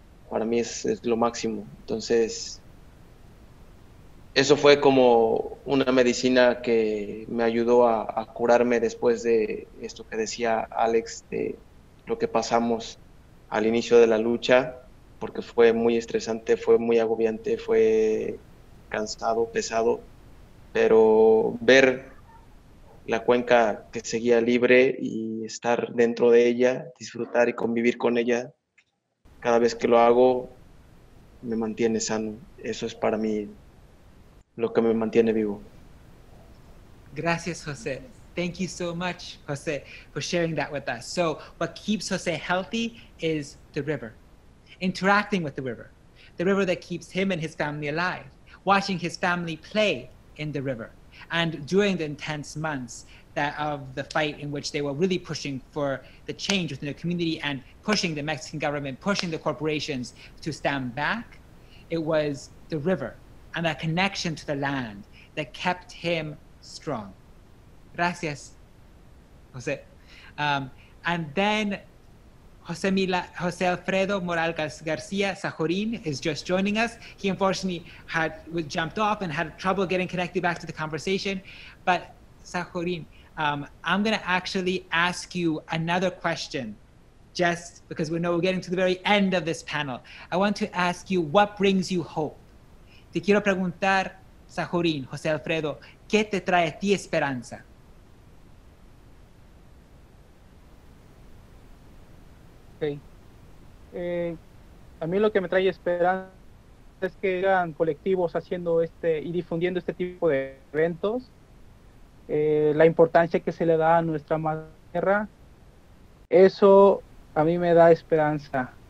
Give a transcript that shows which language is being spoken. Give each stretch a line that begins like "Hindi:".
Spanish: Para mí es lo máximo. Entonces, eso fue como una medicina que me ayudó a curarme después de esto que decía Alex, de lo que pasamos al inicio de la lucha, porque fue muy estresante, fue muy agobiante, fue cansado, pesado, pero ver la cuenca que seguía libre y estar dentro de ella, disfrutar y convivir con ella, cada vez que lo hago, me mantiene sano. Eso es para mí lo que me mantiene vivo. Gracias, José.
English: Thank you so much, José, for sharing that with us. So what keeps José healthy is the river, interacting with the river that keeps him and his family alive, watching his family play in the river, and during the intense months that of the fight in which they were really pushing for the change within the community and pushing the Mexican government, pushing the corporations to stand back, it was the river and that connection to the land that kept him strong.
Spanish: Gracias, José.
English: And then José Alfredo Moral García Sajorín is just joining us. He unfortunately had jumped off and had trouble getting connected back to the conversation. But Sajorín, I'm going to actually ask you another question, just because we know we're getting to the very end of this panel. I want to ask you, what brings you hope?
Spanish: Te quiero preguntar, Sajorín, José Alfredo, ¿qué te trae a ti esperanza?
English: Okay.
Spanish: A mí lo que me trae esperanza es que hagan colectivos haciendo este y difundiendo este tipo de eventos, la importancia que se le da a nuestra madre tierra, eso a mí me da esperanza.